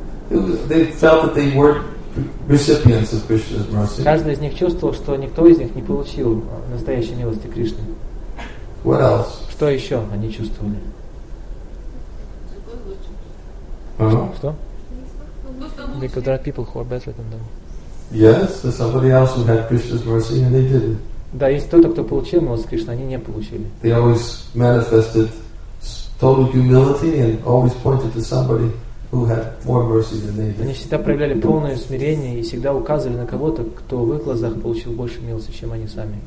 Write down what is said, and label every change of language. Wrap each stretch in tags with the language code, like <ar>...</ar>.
<en>They felt that they weren't recipients of Krishna's mercy.</en> <ru>Каждый из них чувствовал, что никто из них не получил настоящей милости Кришны.</ru> <en>What else?</en> <ru>Что еще они чувствовали? Что?</ru> <en>Because there are people who are better than them. Yes, there's somebody else who had Krishna's mercy and they didn't.</en> <ru>Да, есть кто-то, кто получил милость Кришны, они не получили.</ru> <en>They always manifested total humility and always pointed to somebody who had more mercy than they did.</en> <ru>Они всегда проявляли полное смирение и всегда указывали на кого-то, кто в их глазах получил больше милости, чем они сами.</ru>